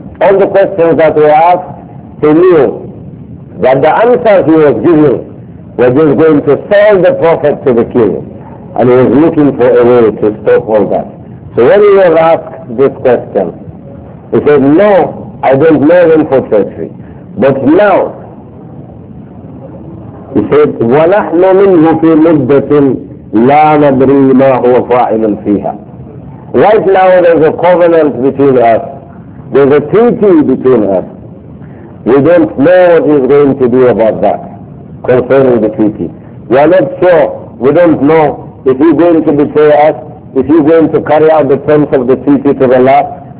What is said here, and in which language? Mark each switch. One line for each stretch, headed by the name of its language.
English: All the questions that were asked, he knew that the answers he was giving were just going to sell the Prophet to the king. And he was looking for a way to stop all that. So when he was asked this question, he said, no, I don't know him for treachery. But now, he said,
Arabic: وَنَحْنُ مِنْهُ فِي مُدَّةٍ لَا نَدْرِي مَا هُوَ فَاعِلٌ فِيهَا.
English: Right now there's a covenant between us. There's a treaty between us. We don't know what he's going to do about that, concerning the treaty. We are not sure. We don't know if he's going to betray us, if he's going to carry out the terms of the treaty to the last.